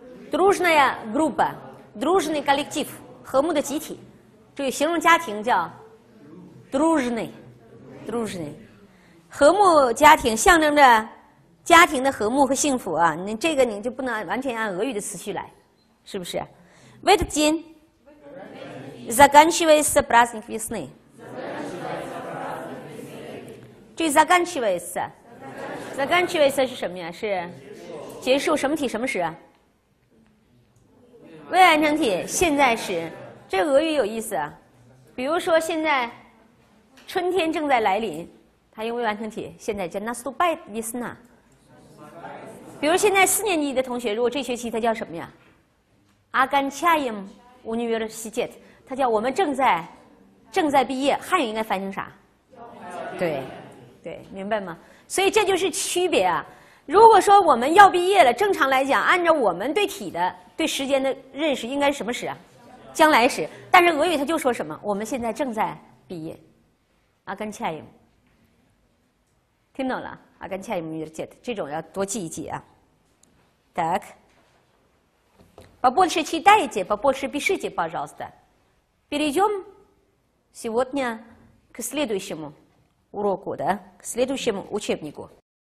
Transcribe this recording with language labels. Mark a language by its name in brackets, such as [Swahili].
[Russian] дружная группа， дружный коллектив， [Chinese] 和睦的集体。注意形容家庭叫 [Russian] дружный， дружный， [Chinese] 和睦家庭象征着家庭的和睦和幸福啊。你这个你就不能完全按俄语的词序来，是不是？ [Russian] в этот день заканчивается праздник весны。 [Chinese] 注意 [Russian] заканчивается， заканчивается [Chinese] 是什么呀？是结束。什么体什么时啊？未完成体现在时。这俄语有意思啊。比如说现在春天正在来临，它用未完成体现在叫 [Russian] наступает весна。 [Chinese] 比如现在四年级的同学，如果这学期它叫什么呀？ [Russian] оканчиваем университет， [Chinese] 它叫我们正在毕业。汉语应该翻成啥？对对，明白吗？所以这就是区别啊。如果说我们要毕业了，正常来讲按照我们对体的对时间的认识应该是什么时啊？将来时。但是俄语他就说什么？我们现在正在毕业。阿甘恰伊姆。听懂了？阿甘恰伊姆约杰特。这种要多记一记啊。 [Russian] так。 побольше читайте, побольше пишите, пожалуйста. перейдем сегодня к следующему уроку, да? к следующему учебнику.